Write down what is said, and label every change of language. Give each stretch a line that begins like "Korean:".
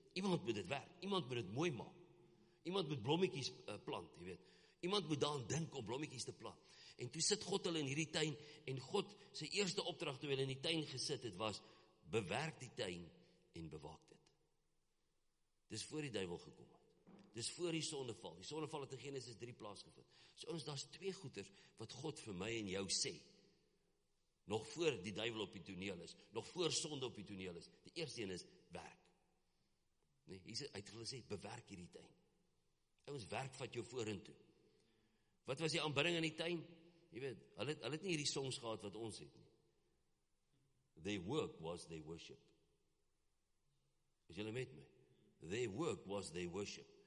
Afrikaans: Iemand moet dit werk, iemand moet dit mooi maak, iemand moet blommetjies plant, jy weet, iemand moet daaraan dink om blommetjies te plant. En toe sit God hulle in hierdie tuin, en God, sy eerste opdracht toe hulle in die tuin gesit het, was, bewerk die tuin en bewaak dit. Dis voor die duivel gekom het. Dis voor die sondeval. Die sondeval het in Genesis 3 plaasgevind. So ons, daar is twee goeders wat God vir my en jou sê, nog voor die duivel op die toneel is, nog voor sonde op die toneel is. Die eerste een is, werk. Nee, hy het hulle sê, bewerk hierdie tuin. Ons, werk vat jou vorentoe. Wat was die aanbidding in die tuin? Jy weet, hulle het nie hierdie songs gehad wat ons het nie.
English: Their work was their worship.
Afrikaans: Is julle met my?
English: Their work was their worship.